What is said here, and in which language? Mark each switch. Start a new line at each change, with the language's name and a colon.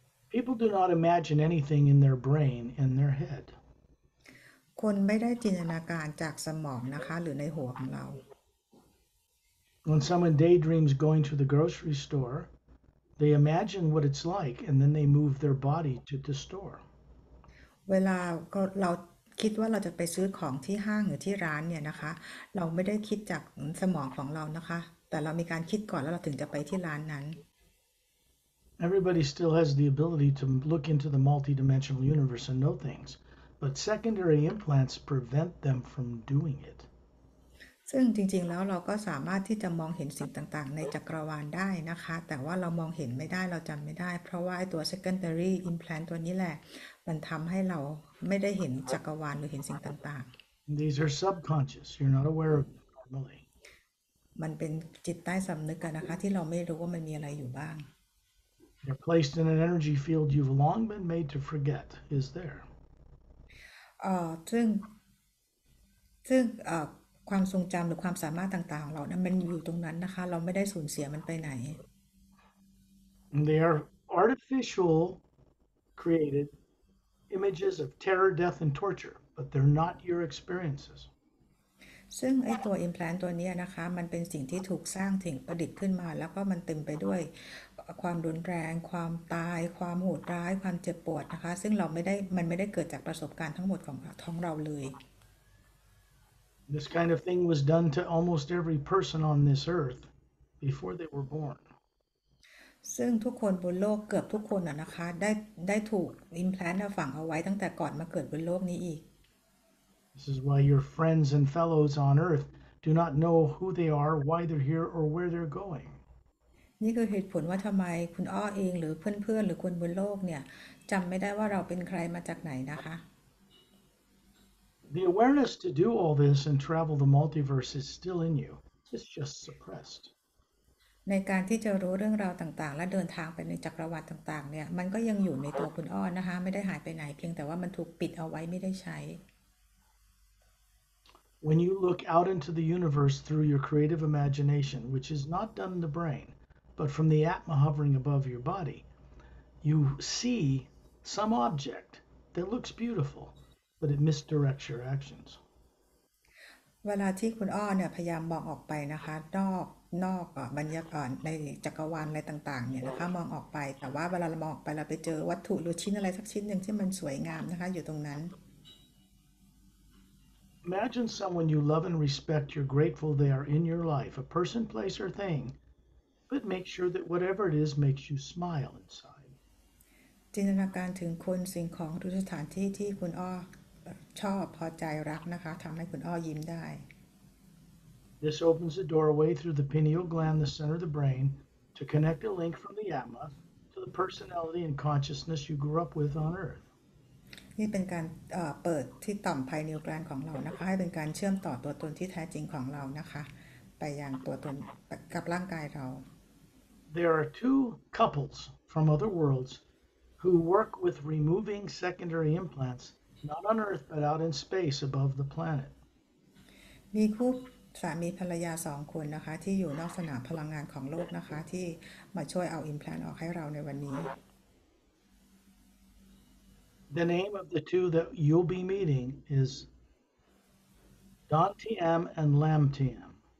English: People do not imagine anything in their brain, in their head.
Thai: คนไม่ได้จินตนาการจากสมองนะคะหรือในหัวของเรา
English: When someone daydreams going to the grocery store, they imagine what it's like and then they move their body to the store.
Thai: เวลาเราคิดว่าเราจะไปซื้อของที่ห้างหรือที่ร้านเนี่ยนะคะเราไม่ได้คิดจากสมองของเรานะคะแต่เรามีการคิดก่อนแล้วเราถึงจะไปที่ร้านนั้น
English: Everybody still has the ability to look into the multidimensional universe and know things, but secondary implants prevent them from doing it.
Thai: ซึ่งจริงๆแล้วเราก็สามารถที่จะมองเห็นสิ่งต่างๆในจักรวาลได้นะคะแต่ว่าเรามองเห็นไม่ได้เราจำไม่ได้เพราะว่าไอ้ตัว secondary implant ตัวนี้แหละมันทำให้เราไม่ได้เห็นจักรวาลหรือเห็นสิ่งต่าง
English: These are subconscious. You're not aware of them normally.
Thai: ๆมันเป็นจิตใต้สำนึกกันนะคะที่เราไม่รู้ว่ามันมีอะไรอยู่บ้าง
English: You're placed in an energy field you've long been made to forget is there.
Thai: ซึ่งความทรงจำหรือความสามารถต่างๆของเรานั้นมันอยู่ตรงนั้นนะคะเราไม่ได้สูญเสียมันไปไหน
English: And they are artificial created images of terror, death, and torture, but they're not your experiences.
Thai: ซึ่งไอ้ตัวอิมแพลนต์ตัวนี้นะคะมันเป็นสิ่งที่ถูกสร้างถึงประดิษฐ์ขึ้นมาแล้วก็มันเต็มไปด้วยความรุนแรงความตายความโหดร้ายความเจ็บปวดนะคะซึ่งเราไม่ได้มันไม่ได้เกิดจากประสบการณ์ทั้งหมดของท้องเราเลย
English: This kind of thing was done to almost every person on this earth before they were born.
Thai: ซึ่งทุกคนบนโลกเกือบทุกคนนะคะได้ถูกอิมแพลนต์ฝังเอาไว้ตั้งแต่ก่อนมาเกิดบนโลกนี้อีก
English: This is why your friends and fellows on earth do not know who they are, why they're here, or where they're going.
Thai: นี่คือเหตุผลว่าทำไมคุณอ้อเองหรือเพื่อนๆหรือคนบนโลกเนี่ยจำไม่ได้ว่าเราเป็นใครมาจากไหนนะคะ
English: The awareness to do all this and travel the multiverse is still in you. It's just suppressed.
Thai: ในการที่จะรู้เรื่องราวต่างๆและเดินทางไปในจักรวาลต่างๆเนี่ยมันก็ยังอยู่ในตัวคุณอ้อนะคะไม่ได้หายไปไหนเพียงแต่ว่ามันถูกปิดเอาไว้ไม่ได้ใช้
English: When you look out into the universe through your creative imagination, which is not done in the brain, but from the Atma hovering above your body, you see some object that looks beautiful, but it misdirects your actions.
Thai: เวลาที่คุณอ้อเนี่ยพยายามมองออกไปนะคะนอกบรรยากาศในจักรวาลอะไรต่างๆเนี่ยนะคะมองออกไปแต่ว่าเวลาเรามองออกไปเราไปเจอวัตถุหรือชิ้นอะไรสักชิ้นหนึ่งที่มันสวยงามนะคะอยู่ตรงนั้น
English: Imagine someone you love and respect, you're grateful they are in your life, a person, place, or thing, but make sure that whatever it is makes you smile inside.
Thai: จินตนาการถึงคนสิ่งของหรือสถานที่ที่คุณอ้อชอบพอใจรักนะคะทำให้คุณอ้อยิ้มได้
English: This opens a doorway through the pineal gland, the center of the brain, to connect a link from the Atma to the personality and consciousness you grew up with on earth.
Thai: นี่เป็นการเปิดที่ต่อมไพเนียลแกลนด์ของเรานะคะให้เป็นการเชื่อมต่อตัวตนที่แท้จริงของเรานะคะไปยังตัวตนกับร่างกายเรา
English: There are two couples from other worlds who work with removing secondary implants not on earth but out in space above the planet
Thai: มีคู่สามีภรรยาสองคนนะคะที่อยู่นอกสนามพลังงานของโลกนะคะที่มาช่วยเอาอิมแพลนต์ออกให้เราในวันนี้
English: The name of the two that you'll be meeting is Don TM and Lam TM.